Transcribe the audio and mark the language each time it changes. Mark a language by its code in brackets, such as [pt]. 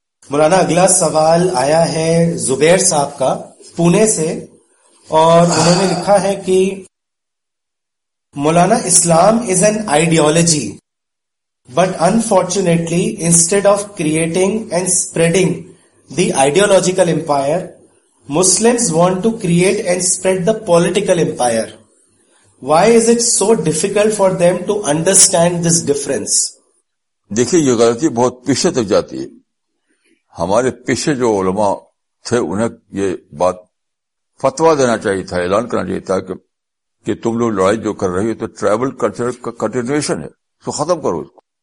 [ur] مولانا اگلا سوال آیا ہے زبیر صاحب کا پونے سے اور انہوں نے لکھا ہے کہ [en] Maulana Islam is an ideology but unfortunately instead of creating and spreading the ideological empire Muslims want to create and spread the political empire. Why is it so difficult for them to understand this difference? [ur] دیکھیے یہ غلطی بہت پیچھے تک جاتی ہے. ہمارے پیچھے جو علماء تھے انہیں یہ بات فتویٰ دینا چاہیے تھا, اعلان کرنا چاہیے تھا کہ تم لوگ لڑائی جو کر رہی ہو تو ٹرائبل کلچر کا کنٹینیوشن ہے, تو ختم کرو اس کو.